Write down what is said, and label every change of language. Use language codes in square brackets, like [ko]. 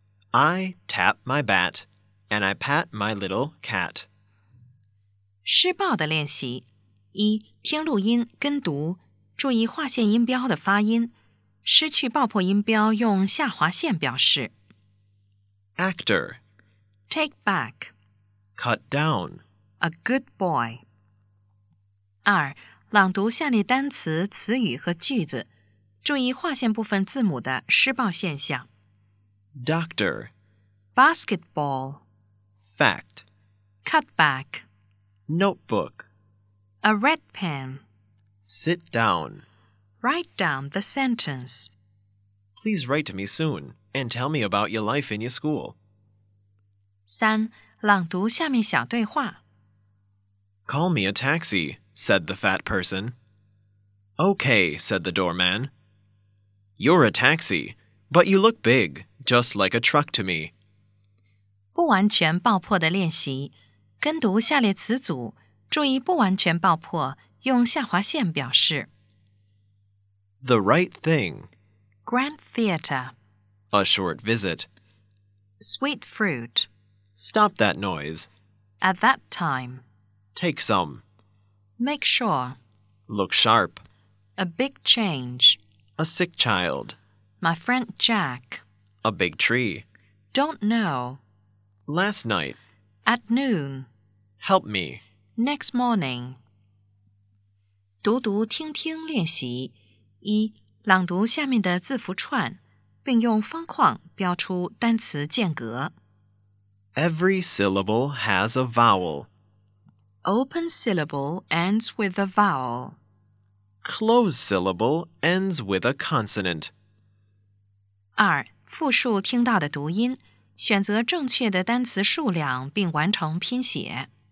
[en] I tap my bat, and I pat my little cat. [zh] 施暴的练习。一，听录音跟读，注意划线音标的发音。失去爆破音标，用下划线表示。 [en] Actor. Take back. Cut down. A good boy. [zh] 二，朗读下列单词、词语和句子，注意划线部分字母的失爆现象。 [en] Doctor. Basketball. Fact. Cut back. Notebook. A red pen. Sit down. Write down the sentence. Please write to me soon and tell me about your life in your school. [zh] 三，朗读下面小对话。 [en] Call me a taxi, said the fat person. Okay, said the doorman. You're a taxi, but you look big, just like a truck to me. [zh] 不完全爆破的练习，跟读下列词组，注意不完全爆破，用下划线表示。 [en] The right thing. Grand Theater. A short visit. Sweet fruit. Stop that noise. At that time. Take some. Make sure. Look sharp. A big change. A sick child. My friend Jack. A big tree. Don't know. Last night. At noon. Help me. Next morning. [zh] 读读听听练习。一，朗读下面的字符串，并用方框标出单词间隔。 [en] Every syllable has a vowel. Open syllable ends with a vowel. Close syllable ends with a consonant. [zh] 二，复述听到的读音，选择正确的单词数量并完成拼写。